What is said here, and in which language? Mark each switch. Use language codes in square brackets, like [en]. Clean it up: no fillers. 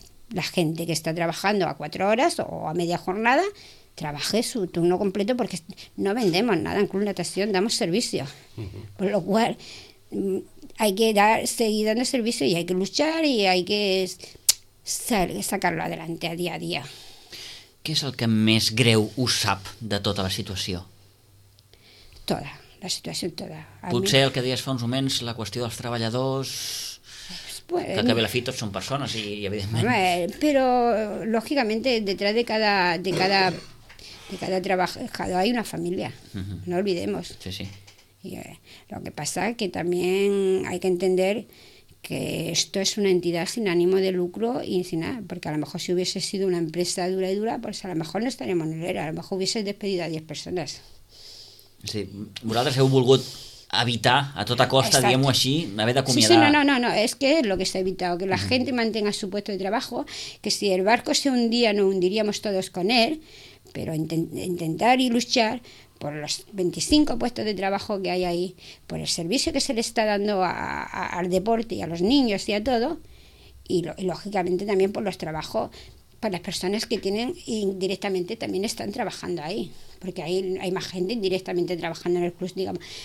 [es] la gente que está trabajando a 4 horas o a media jornada trabaje su turno completo, porque no vendemos nada en club natación, damos servicio. Por lo cual hay que dar, seguir dando servicio, y hay que luchar y hay que sacarlo adelante a día a día. [ca] ¿Qué es el que més greu us sap de tota la situació? [es] Toda, la situació toda. [ca] A potser mi... el que deies fa uns moments, la qüestió dels treballadors... Bueno, que acabe la fi, tots són persones, i evidentment... Però, lògicament, [es] detrás de cada... De cada trabajador hay una familia, no olvidemos. Sí, sí. Y lo que pasa es que también hay que entender que esto es una entidad sin ánimo de lucro y sin nada, porque a lo mejor si hubiese sido una empresa dura y dura, pues a lo mejor no estaríamos en el ERE, a lo mejor hubiese despedido a 10 personas. [ca] Sí, vosaltres heu volgut evitar a tota costa, diguem-ho així, haver d'acomiadar... [es] Sí, sí, no, [ca] és que és el que s'ha evitat, que la gent [es] mantenga su puesto de trabajo, que si el barco se hundía no hundiríamos todos con él, pero intentar y luchar por los 25 puestos de trabajo que hay ahí, por el servicio que se le está dando al deporte y a los niños y a todo, y lógicamente también por los trabajos para las personas que tienen y directamente también están trabajando ahí, porque ahí hay más gente directamente trabajando en el club, digamos.